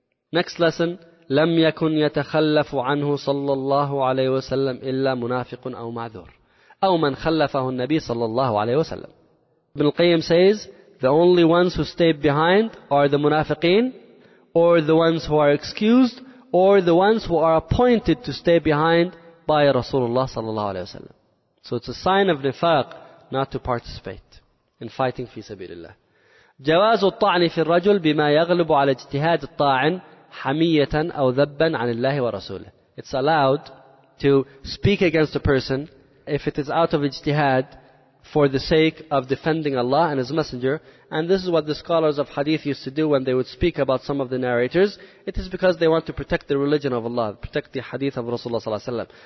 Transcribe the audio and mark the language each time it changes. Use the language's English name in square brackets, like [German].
[English] Next lesson, [Arabic] لَمْ يَكُنْ يَتَخَلَّفُ عَنْهُ صَلَّى اللَّهُ عَلَيْهُ وَسَلَّمْ [English] إِلَّا مُنَافِقٌ أَوْ مَعْذُرٌ أَوْ مَنْ خَلَّفَهُ النَّبِيُّ صَلَّى اللَّهُ عَلَيْهُ وَسَلَّمْ Ibn al-Qayyim says, the only ones who stayed behind are the munafiqeen, or the ones who are excused, or the ones who are appointed to stay behind by Rasulullah sallallahu alayhi wasallam. So it's a sign of nifaq not to participate in fighting fi sabilillah. [Arabic] جواز الطعن في الرجل بما يغلب على اجتهاد الطاعن حمية أو ذبا عن الله ورسوله. [English] It's allowed to speak against a person if it is out of اجتهاد for the sake of defending Allah and His Messenger. And this is what the scholars of hadith used to do when they would speak about some of the narrators. It is because they want to protect the religion of Allah, protect the hadith of Rasulullah ﷺ.